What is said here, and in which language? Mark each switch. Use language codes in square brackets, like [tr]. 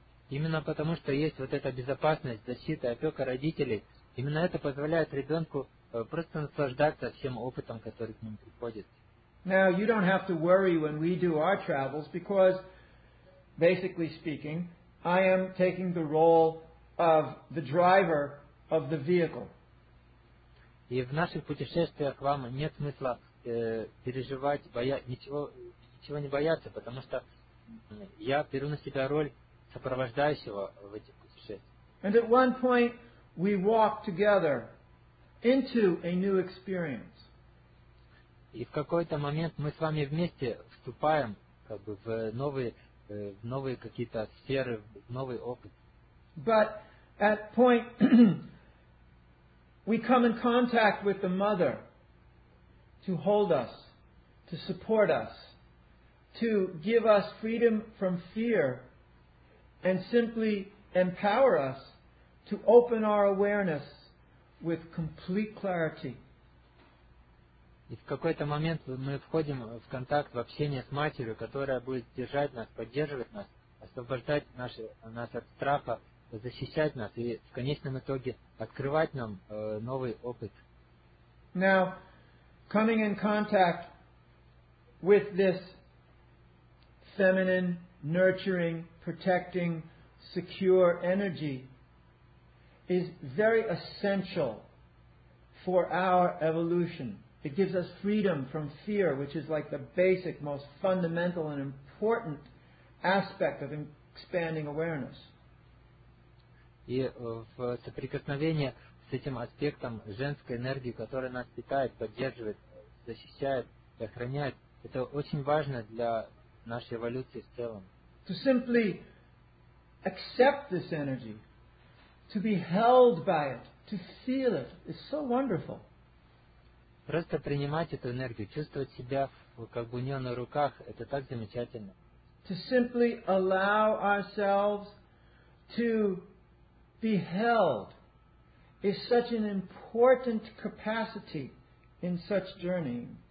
[ru] Именно потому что есть вот эта безопасность, защита, опека родителей, именно это позволяет ребенку просто наслаждаться всем опытом, который к нему приходит. [en] Now you don't have to worry when we do our travels because, basically speaking, I am taking the role of the driver of the vehicle. [ru] И в наших путешествиях вам нет смысла переживать, ничего не бояться, потому что я беру на себя роль сопровождающего в этих путешествиях. [en] And at one point we walk together into a new experience. [ru] И в какой-то момент мы с вами вместе вступаем как бы в новые какие-то сферы, в новый опыт. [en] But at point we come in contact with the mother to hold us, to support us, to give us freedom from fear and simply empower us to open our awareness with complete clarity. [ru] И в какой-то момент мы входим в контакт, в общение с матерью, которая будет держать нас, поддерживать нас, освобождать нас от страха, защищать нас и в конечном итоге открывать нам новый опыт. [en] Now, coming in contact with this feminine, nurturing, protecting, secure energy is very essential for our evolution. It gives us freedom from fear, which is like the basic, most fundamental and important aspect of expanding awareness. [ru] И в соприкосновении с этим аспектом женской энергии, которая нас питает, поддерживает, защищает и охраняет, это очень важно для нашей эволюции в целом. [en] To simply accept this energy, to be held by it, to feel it, is so wonderful. [ru] Просто принимать эту энергию, чувствовать себя как бы у нее на руках, это так замечательно. [en] To simply allow ourselves to be held is such an important capacity in such journey.